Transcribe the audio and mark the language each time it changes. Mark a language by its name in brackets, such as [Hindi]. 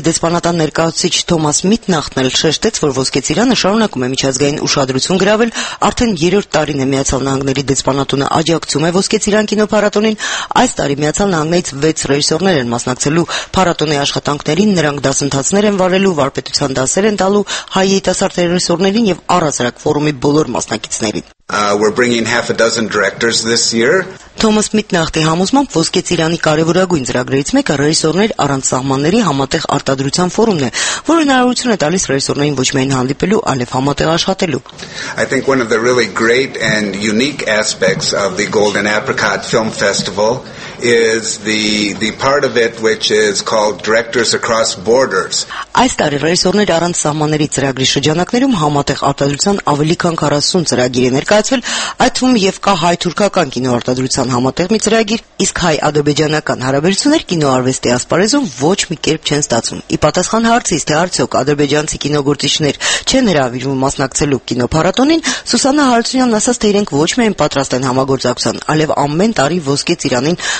[Armenian] այլև ներկայացուցիչ Թոմաս Միտն ախնել շեշտեց, որ Ոսկե Ծիրանը շարունակում է միջազգային ուշադրություն գրավել, արդեն 3-րդ տարին է Միացյալ Նահանգների դեսպանատունը աջակցում է Ոսկե Ծիրան կինոփառատոնին։ Այս տարի Միացյալ Նահանգներից 6 ռեժիսորներ են մասնակցելու փառատոնի աշխատանքներին, նրանք դասընթացներ են վարելու, վարպետության դասեր են տալու հայ երիտասարդ ռեժիսորներին եւ առհասարակ ֆորումի բոլոր մասնակիցներին։ [English] We're bringing half a dozen directors this year. [Armenian] Թոմաս Միտն ախտի համոզմամբ Ոսկե Ծիրանի կարևորագույն ծրագրերից մեկը ռեժիսորներ առանց սահմանների համատեղ արտադրության ֆորումն է, որը հնարավորություն է տալիս ռեժիսորներին ոչ միայն հանդիպելու, այլև համատեղ աշխատելու։ [English] I think one of the really great and unique aspects of the Golden Apricot Film Festival is the part of it which is called Directors Across Borders. [Armenian] Այս տարի ռեժիսորներ առանց սահմանների ծրագրի շրջանակներում համատեղ արտադրության ավելի քան 40 ծրագիր ներկայացվել, այդ թվում եւ կա հայ-թուրքական կինոարտադրության համատեղ մի ծրագիր, իսկ հայ-ադրբեջանական հարաբերություններ կինոարվեստի ասպարեզում ոչ մի կերպ չեն ստացվում։ Ի պատասխան հարցիս, թե արդյոք ադրբեջանցի կինոգործիչներ չեն հրավիրվում մասնակցելու կինոփառատոնին, Սուսաննա Հարությունյանն ասաց, թե իրենք ոչ միայն պատրաստ են համագործակցան, այլև ամեն տարի Ոսկե Ծիրանին